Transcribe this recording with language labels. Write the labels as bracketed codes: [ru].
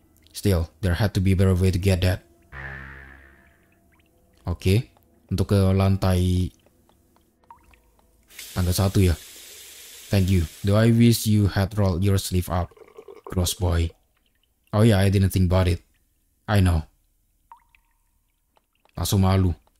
[en] Still, there had to be a better way to get that. Okay. [id] Untuk ke lantai tangga satu ya. [en] Thank you. Do I wish you had rolled your sleeve up, gross boy? Oh yeah, I didn't think about it. I know. [id] Langsung malu.